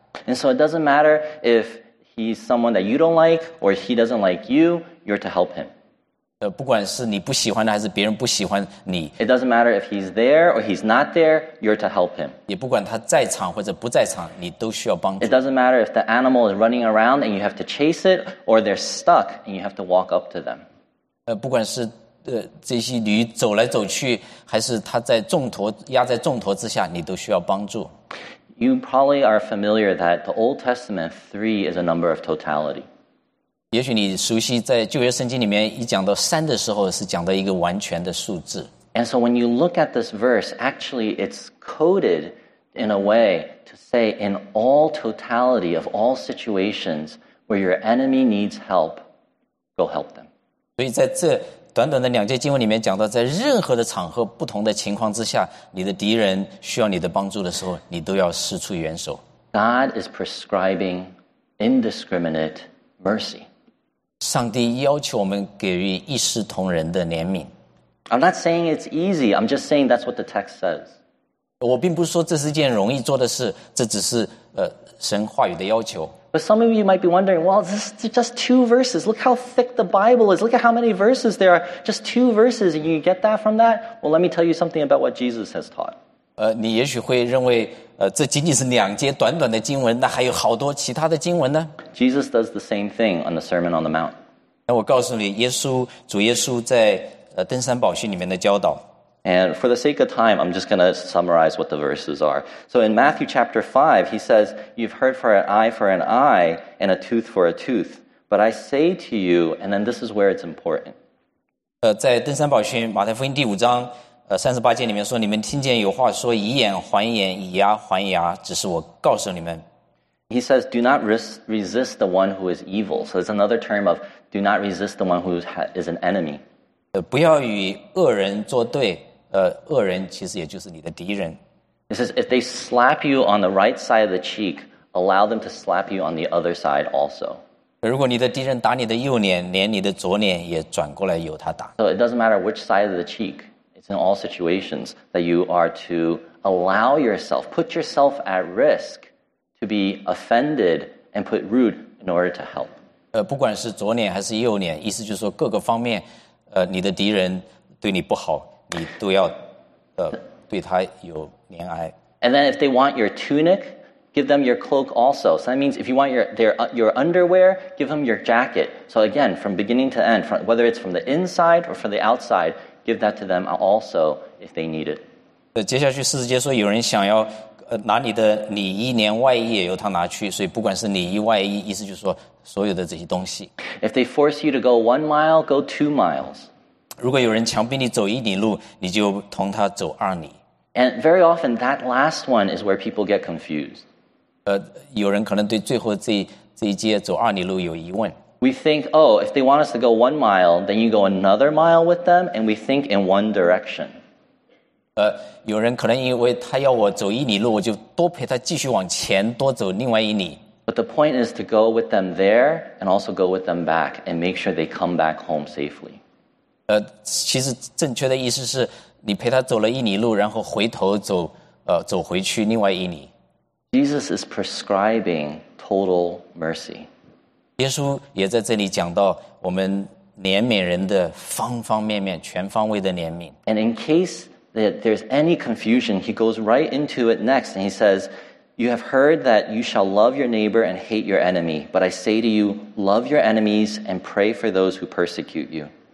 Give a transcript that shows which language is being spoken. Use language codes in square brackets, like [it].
[en] And so it doesn't matter if he's someone that you don't like, or he doesn't like you, you're to help him. [zh] 不管是你不喜欢的还是别人不喜欢你。 [en] It doesn't matter if he's there or he's not there, you're to help him. [zh] 也不管他在场或者不在场，你都需要帮助。 [en] It doesn't matter if the animal is running around and you have to chase it, or they're stuck and you have to walk up to them. [zh] 不管是这些驴走来走去，还是他在重驼，压在重驼之下，你都需要帮助。 [en] You probably are familiar that the Old Testament 3 is a number of totality. [zh] 也许你熟悉在旧约圣经里面一讲到三的时候是讲到一个完全的数字。 [en] And so when you look at this verse, actually it's coded in a way to say in all totality of all situations where your enemy needs help, go help them. [zh] 所以在这短短的两节经文里面讲到在任何的场合不同的情况之下你的敌人需要你的帮助的时候你都要施出援手。 [en] God is prescribing indiscriminate mercy. [zh] 上帝要求我们给予一视同仁的怜悯。 [en] I'm not saying it's easy. I'm just saying that's what the text says. [zh] 我并不是说这是一件容易做的事，这只是神话语的要求。 [en] But some of you might be wondering, well, this is just two verses. Look how thick the Bible is. Look at how many verses there are. Just two verses, and you get that from that? Well, let me tell you something about what Jesus has taught. [zh] 你也许会认为这仅仅是两节短短的经文，那还有好多其他的经文呢。 [en] Jesus does the same thing on the Sermon on the Mount. [zh] 那我告诉你，主耶稣在登山宝训里面的教导。 [en] And for the sake of time, I'm just going to summarize what the verses are. So in Matthew chapter 5, he says, "You've heard for an eye and a tooth for a tooth, but I say to you," and then this is where it's important. [zh] 在登山宝训马太福音第五章。38节里面说你们听见有话说以眼还眼以牙还牙只是我告诉你们。 [en] He says, do not resist the one who is evil. So it's another term of do not resist the one who is an enemy. [zh] 不要与恶人作对恶人其实也就是你的敌人。 [en] He says, if they slap you on the right side of the cheek, allow them to slap you on the other side also. [zh] 如果你的敌人打你的右脸连你的左脸也转过来由他打。 [en] So it doesn't matter which side of the cheek. It's in all situations that you are to allow yourself, put yourself at risk to be offended and put rude in order to help. [zh] 不管是左脸还是右脸，意思就是说各个方面，你的敌人对你不好，你都要，对他有怜爱。 [en] And then if they want your tunic, give them your cloak also. So that means if you want your underwear, give them your jacket. So again, from beginning to end, whether it's from the inside or from the outside,Give that to them also if they need it. [zh] 接下去四十节说有人想要拿你的里衣连外衣也由他拿去所以不管是里衣外衣意思就是说所有的这些东西。 [en] If they force you to go 1 mile, go 2 miles. [zh] 如果有人强逼你走一里路你就同他走二里。 [en] And very often that last one is where people get confused. [zh] 有人可能对最后这一节走二里路有疑问。 [en] We think, oh, if they want us to go 1 mile, then you go another mile with them, and we think in one direction. [zh] 有人可能因为他要我走一里路，我就多陪他继续往前多走另外一里。 [en] But the point is to go with them there, and also go with them back, and make sure they come back home safely. [zh] 其实正确的意思是你陪他走了一里路，然后回头走回去另外一里。 [en] Jesus is prescribing total mercy. [zh] 耶稣也在这里讲到我们怜悯人的方方面面全方位的怜悯。 [en] And in case that there's any confusion, he goes right into it next and he says, you have heard that you shall love your neighbor and hate your enemy, but I say to you, love your enemies and pray for those who persecute you.